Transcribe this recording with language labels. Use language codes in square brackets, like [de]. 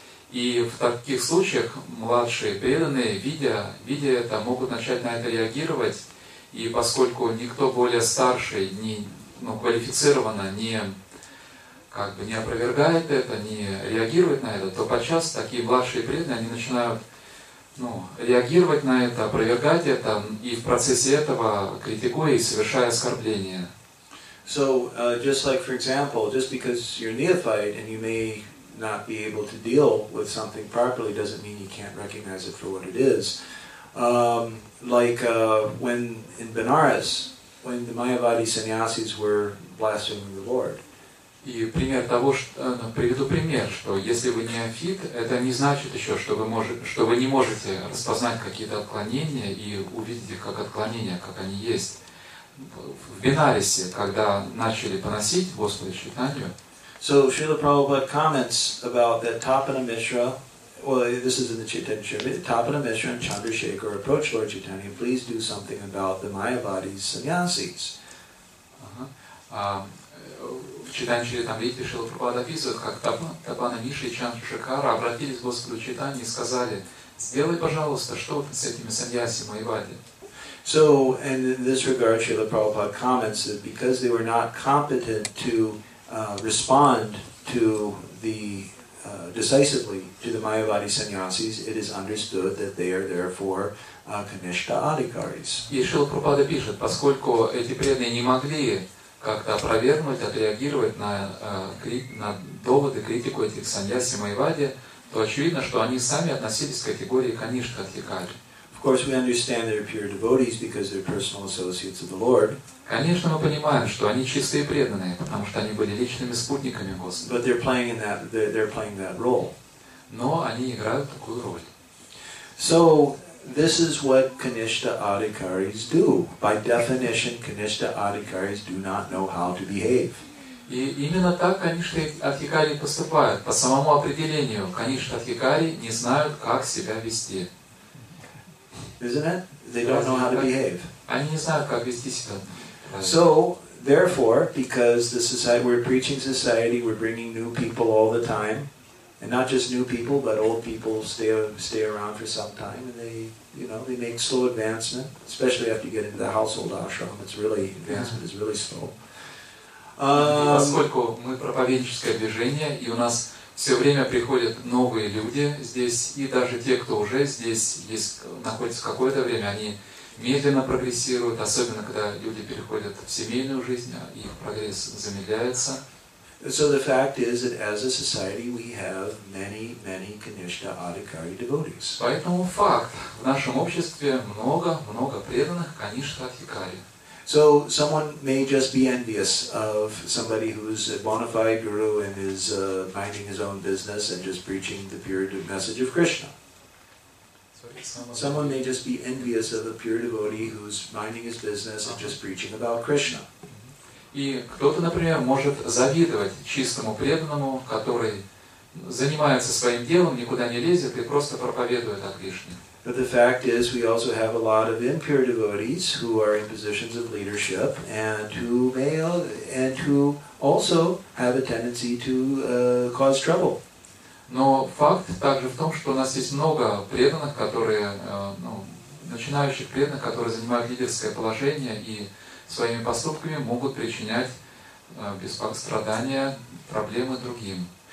[ru] И в таких случаях младшие преданные, видя это, могут начать на это реагировать. И поскольку никто более старший не ну, квалифицированно не, как бы не опровергает это, не реагирует на это, то подчас такие младшие преданные, они начинают, ну, реагировать на это, опровергать это, и в процессе этого критикуя и совершая оскорбления. [en] So, just like, for example, just because you're neophyte and you may not be able to deal with something properly doesn't mean you can't recognize it for what it is. When in Benares, when the Mayavadi sannyasis were blaspheming the Lord. [ru] И пример того, что, приведу пример, что если вы неофит, это не значит еще, что вы, что вы не можете распознать какие-то отклонения и увидеть их как отклонения, как они есть. В Бенаресе, когда начали поносить Господа Чайтанью. [en] So Srila Prabhupada comments about that Tapana Mishra, well, this is in the Chaitanya Charitamrita, Tapana Mishra and Chandrasekhar approach Lord Chaitanya, please do something about the Mayavadi's sannyasis. [ru] В Чайтанья Чаритамрите Шрила Прабхупада описывает, как Тапана Мишра и Чандрасекхара обратились к Господу Чайтанье и сказали, сделай, пожалуйста, что с этими саньяси Майвади. [en] So, and in this regard, Srila Prabhupada comments that because they were not competent to respond to the decisively to the Mayavadi sannyasis, it is understood that they are therefore kanishta adhikaris. [ru] И Шрила Прабхупада пишет, поскольку эти преданные не могли как-то опровергнуть, отреагировать на доводы, критику этих саньяси Майвади, то очевидно, что они сами относились к категории каништа адхикари. [en] Of course, we understand they're pure devotees because they're personal associates of the Lord. [ru] Конечно, мы понимаем, что они чистые преданные, потому что они были личными спутниками Господа. [en] But they're playing that role. [ru] Но они играют такую роль. [en] So this is what Kanishta Adhikaris do. By definition, Kanishta Adhikaris do not know how to behave. [ru] И именно так Kanishta Adhikari поступают. По самому определению, Kanishta Adhikari не знают, как себя вести. [en] Isn't it? They don't know how to behave. [ru] Они не знают, как вести себя. [en] So, therefore, because the society, we're preaching society, we're bringing new people all the time, and not just new people, but old people stay around for some time, and they, you know, they make slow advancement, especially after you get into the household ashram. It's really advancement is really slow. [ru] Поскольку мы проповедническое движение, и у нас все время приходят новые люди здесь, и даже те, кто уже здесь находится какое-то время, они медленно прогрессируют, особенно когда люди переходят в семейную жизнь, их прогресс замедляется. [en] So the fact is that as a society we have many, many Kanishta Adhikari devotees. [ru] Поэтому факт, в нашем обществе много, много преданных Kanishta Adhikari. [en] So someone may just be envious of somebody who's a bona fide guru and is minding his own business and just preaching the pure message of Krishna. Someone may just be envious of a pure devotee who's minding his business and just preaching about Krishna. [ru] И кто-то, например, может завидовать чистому преданному, который занимается своим делом, никуда не лезет и просто проповедует о Кришне. [en] But the fact is, we also have a lot of impure devotees who are in positions of leadership and who also have a tendency to cause trouble. [ru] Но факт также в том, что у нас есть много преданных, которые, ну, начинающих преданных, которые занимают лидерское положение и своими поступками могут причинять беспокойство, страдания, проблемы другим.